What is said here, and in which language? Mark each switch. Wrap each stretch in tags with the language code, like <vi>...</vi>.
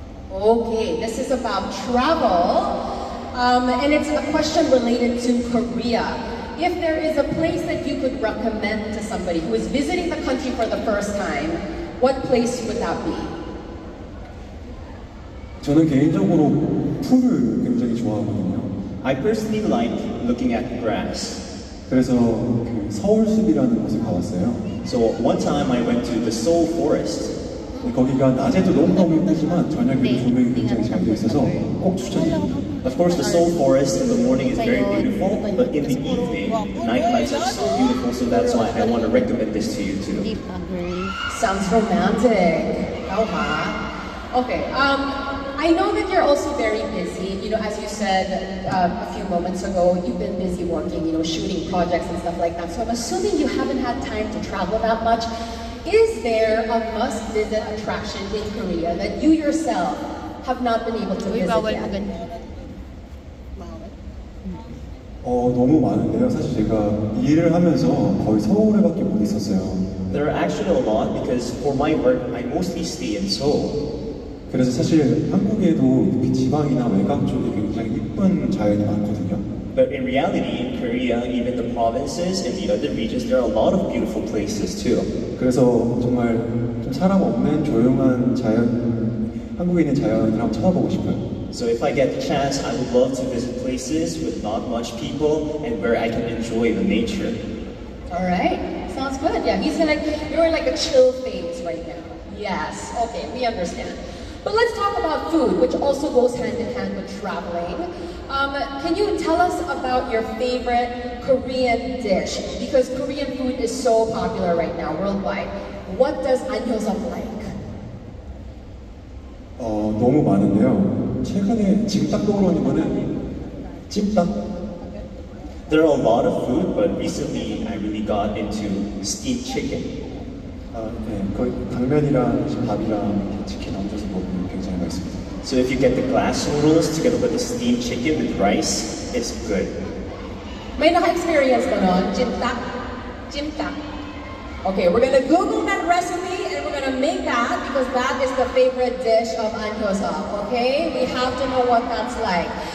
<en>Okay, this is about travel. And it's a question related to Korea. If there is a place that you could recommend to somebody who is visiting the country for the first time, what place would that be?</en> <ko>저는 개인적으로 풀을 굉장히 좋아하거든요.</ko> <en>I personally like looking at grass.</en> <ko>그래서 그 서울숲이라는 곳을 가봤어요.</ko> <en>So one time I went to the Seoul Forest.</en> <ko>거기가 낮에도 너무너무 예쁘지만 저녁에도 조명이 굉장히 잘 되어 있어서 꼭 추천드립니다.</ko> <en>Of course, the Seoul Forest in the morning is very beautiful, but in the evening, nightlife is so beautiful, so that's why I want to recommend this to you too. Sounds romantic. Oh, huh? Okay, I know that you're also very busy. You know, as you said a few moments ago, you've been busy working, you know, shooting projects and stuff like that. So I'm assuming you haven't had time to travel that much. Is there a must-visit attraction in Korea that you yourself have not been able to visit yet?</en> <ko>너무 많은데요. 사실 제가 일을 하면서 거의 서울에밖에 못 있었어요.</ko> <en>There are actually a lot because for my work, I mostly stay in Seoul.</en> <ko>그래서 사실 한국에도 지방이나 외곽 쪽에 굉장히 이쁜 자연이 많거든요.</ko> <en>But in reality, in Korea, even the provinces and the other regions, there are a lot of beautiful places too.</en> <ko>그래서 정말 좀 사람 없는 조용한 자연, 한국에 있는 자연을 한번 찾아보고 싶어요.</ko> <en>So if I get the chance, I would love to visit places with not much people and where I can enjoy the nature. Alright, sounds good. Yeah, he's like, you're like a chill phase right now. Yes, okay, we understand. But let's talk about food, which also goes hand in hand with traveling. Can you tell us about your favorite Korean dish? Because Korean food is so popular right now worldwide. What does Ahn Hyo Seop like?</en> <ko>너무 많은데요. 최근에 지금 딱 떠오르는 거는 찜닭.</ko> <en>There are a lot of food, but recently I really got into steamed chicken.</en> <ko>네, 당면이랑 밥이랑 치킨 얹어서 먹으면 굉장히 맛있습니다.</ko> <en>So if you get the glass noodles together with the steamed chicken with rice, it's good.</en> <ko>매일 나 experience 거는 찜닭, 찜닭.</ko> <en>Okay, we're gonna Google that recipe and we're gonna make that because that is the favorite dish of Ahn Hyo Seop, okay? We have to know what that's like.</en>